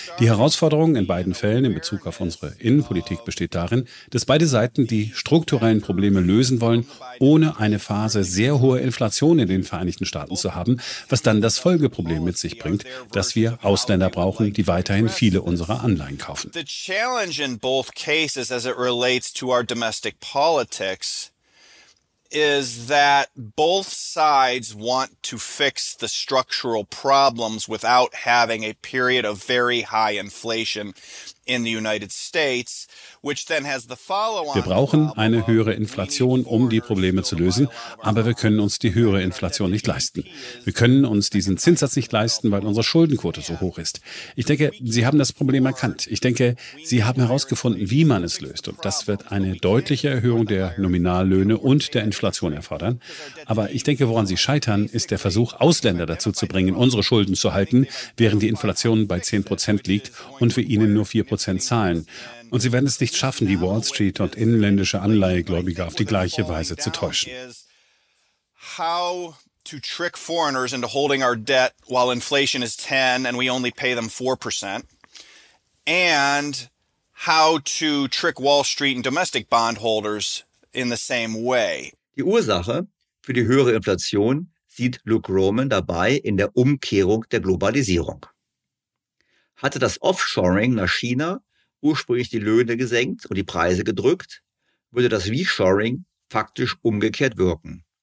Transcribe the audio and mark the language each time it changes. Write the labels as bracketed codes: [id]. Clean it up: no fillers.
[de] Die Herausforderung in beiden Fällen in Bezug auf unsere Innenpolitik besteht darin, dass beide Seiten die strukturellen Probleme lösen wollen, ohne eine Phase sehr hoher Inflation in den Vereinigten Staaten zu haben, was dann das Folgeproblem mit sich bringt, dass wir Ausländer brauchen, die weiterhin viele unserer Anleihen kaufen. [en] The challenge in both cases as it relates to our domestic politics is that both sides want to fix the structural problems without having a period of very high inflation in the United States, which then has the follow-on. [de] Wir brauchen eine höhere Inflation, um die Probleme zu lösen, aber wir können uns die höhere Inflation nicht leisten. Wir können uns diesen Zinssatz nicht leisten, weil unsere Schuldenquote so hoch ist. Ich denke, Sie haben das Problem erkannt. Ich denke, Sie haben herausgefunden, wie man es löst. Und das wird eine deutliche Erhöhung der Nominallöhne und der Inflation erfordern. Aber ich denke, woran Sie scheitern, ist der Versuch, Ausländer dazu zu bringen, unsere Schulden zu halten, während die Inflation bei 10% liegt und wir ihnen nur 4% zahlen. Und sie werden es nicht schaffen, die Wall Street und inländische Anleihegläubiger auf die gleiche Weise zu täuschen. [en] How to trick foreigners into holding our debt while inflation is 10 and we only pay them 4%? And how to trick Wall Street and domestic bondholders in the same way? [de] Die Ursache für die höhere Inflation sieht Luke Roman dabei in der Umkehrung der Globalisierung. Hatte das Offshoring nach China ursprünglich die Löhne gesenkt und die Preise gedrückt, würde das Reshoring faktisch umgekehrt wirken.